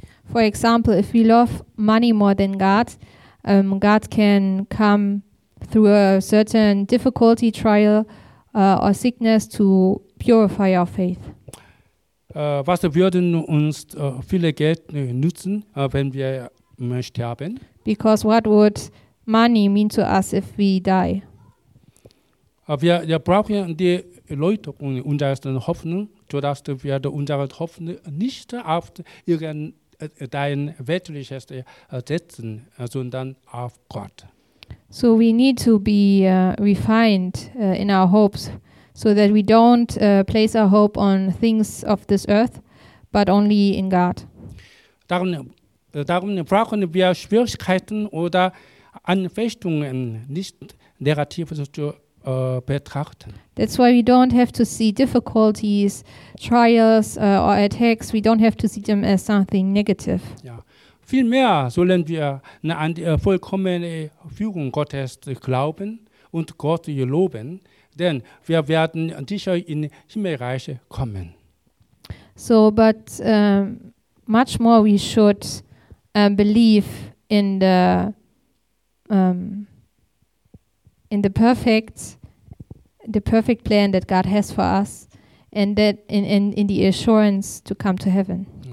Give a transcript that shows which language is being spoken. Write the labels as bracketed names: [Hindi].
[English] For example, if we love money more than God, God can come through a certain difficulty, trial or sickness to purify our faith. [German] Was würden uns viele Geld nützen, wenn wir sterben? [English] Because what would money mean to us if we die? [German] Wir brauchen die Erläuterung unserer Hoffnung, sodass wir unsere Hoffnung nicht auf dein weltliches setzen, sondern auf Gott. [English] So we need to be refined in our hopes, so that we don't place our hope on things of this earth, but only in God. [German] Darum brauchen wir Schwierigkeiten oder Anfechtungen nicht negativ zu betrachten. [English] That's why we don't have to see difficulties, trials or attacks. We don't have to see them as something negative. Ja. [German] Vielmehr sollen wir an die vollkommene Führung Gottes glauben und Gott loben, denn wir werden sicher in Himmelreich kommen. [English] So, but much more we should believe in the perfect plan that God has for us, and that in the assurance to come to heaven.